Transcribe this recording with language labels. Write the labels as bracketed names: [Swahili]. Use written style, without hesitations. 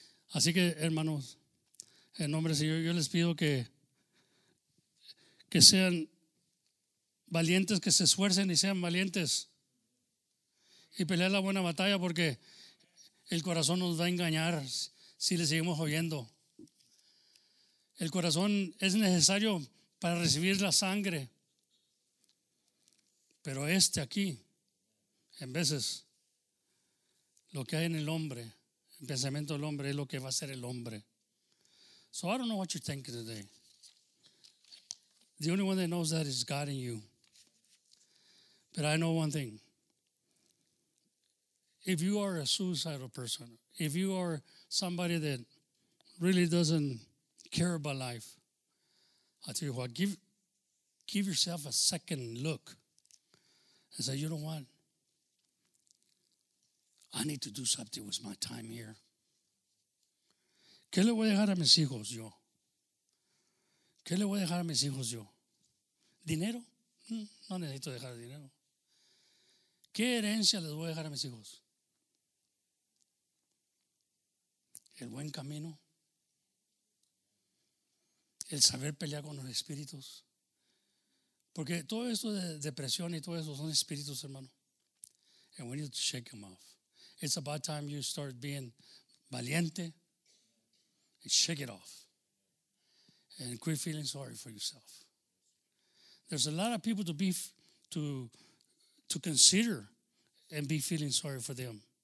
[Spanish] Así que, hermanos, en nombre del Señor, yo les pido que sean valientes, que se esfuercen y sean valientes y pelear la buena batalla, porque el corazón nos va a engañar si le seguimos oyendo. El corazón es necesario para recibir la sangre, pero este aquí, en veces, lo que hay en el hombre, el pensamiento del hombre, es lo que va a hacer el hombre. [English] So I don't know what you're thinking today. The only one that knows that is God in you. But I know one thing. If you are a suicidal person, if you are somebody that really doesn't care about life, I'll tell you what, give yourself a second look and say, you know what? I need to do something with my time here. [Spanish] ¿Qué le voy a dejar a mis hijos yo? ¿Qué le voy a dejar a mis hijos yo? ¿Dinero? No necesito dejar dinero. ¿Qué herencia les voy a dejar a mis hijos? El buen camino. El saber pelear con los espíritus. Porque todo esto de depresión y todo eso son espíritus, hermano. [English] And we need to shake them off. It's about time you start being valiente and shake it off and quit feeling sorry for yourself. There's a lot of people to consider and be feeling sorry for them.